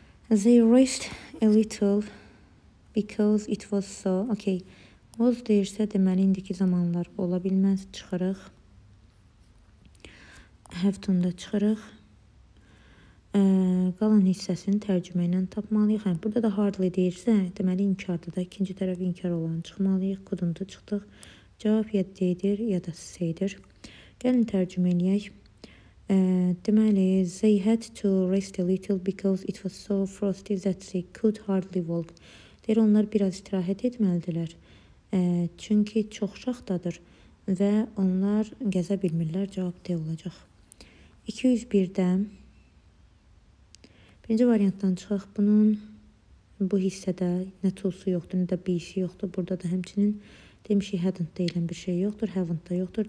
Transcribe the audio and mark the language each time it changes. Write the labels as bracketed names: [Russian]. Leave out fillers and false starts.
[English] They rest a little because it was so. Okay. [Azerbaijani] Was deyirsə, deməli, indiki zamanlar ola bilməz. Çıxırıq. Have to-nu da çıxırıq. Qalan hissəsini tərcümə ilə tapmalıyıq. Hə, burada da hardly deyirsə, deməli, inkardır da. İkinci tərəf inkar olanı çıxmalıyıq. Couldn't-u çıxdıq. Cavab ya deyir, ya da say-dir. Gəlin tərcümə eləyək. [English] Deməli, they had to rest a little because it was so frosty that they could hardly walk. [Azerbaijani] Deyir, onlar biraz istirahət etməlidirlər. Çünki çox şaxtadır və onlar gəzə bilmirlər. Cavab D olacaq. 201-də birinci variantdan çıxıq. Bunun Bu hissədə nə tulsu yoxdur, nə də bir işi yoxdur. Burada da həmçinin demişik, hadn't deyilən bir şey yoxdur, haven't da yoxdur.